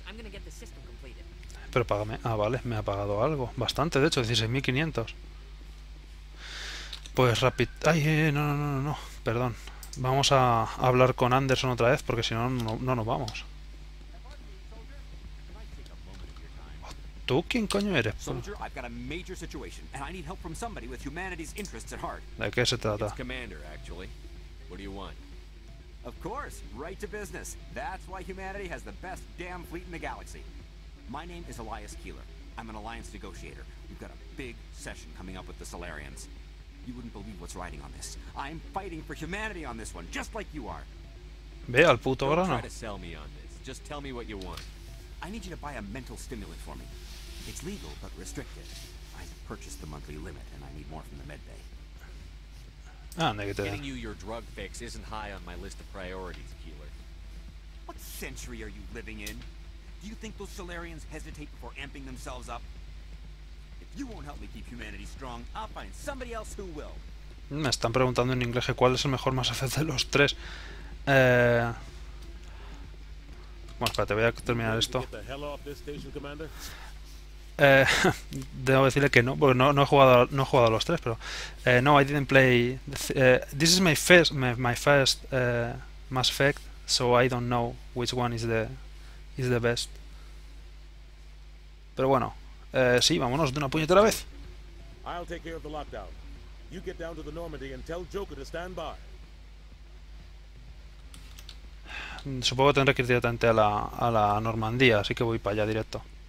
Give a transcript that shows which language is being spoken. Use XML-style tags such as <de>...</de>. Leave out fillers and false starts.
<en>I'm gonna get the system completed.</en> <es>Pero págame. Ah, vale, me ha pagado algo. Bastante, de hecho, 16.500. Pues rápido. Ay, no, no, no, no, no. Perdón. Vamos a hablar con Anderson otra vez, porque si no, no nos vamos. ¿Tú quién coño eres?</es> <en>Soldier, I've got a major situation, and I need help from somebody with humanity's interests at heart.</en> <es>¿De qué se trata?</es> <en>It's Commander, actually. What do you want? Of course, right to business. That's why humanity has the best damn fleet in the galaxy. My name is Elias Keeler. I'm an alliance negotiator. We've got a big session coming up with the Solarians. You wouldn't believe what's riding on this. I'm fighting for humanity on this one, just like you are.</en> <es>Ve al puto grano.</es> <en>Don't try to sell me on this. Just tell me what you want. I need you to buy a mental stimulant for me. It's legal, but restricted. I purchased the monthly limit, and I need more from the medbay. Ah, negative. Getting you your drug fix isn't high on my list of priorities, Keeler. What century are you living in? Do you think those Solarians hesitate before amping themselves up? If you won't help me keep humanity strong, I'll find somebody else who will.</en> <es>Me están preguntando en inglés cuál es el mejor Mass Effect de los tres. Bueno, espérate, voy a terminar esto. Debo decirle que no, porque no he jugado a los tres, pero no,</es> <en>I didn't play. This is my first Mass Effect, so I don't know which one is the best.</en> <es>Pero bueno, sí, vámonos de una puñetera vez.</es> <en>I'll take care of the lockdown. You get down to the Normandy and tell Joker to stand by.</en> <es>Supongo que tendré que ir directamente a la Normandía, así que voy para allá directo.</es>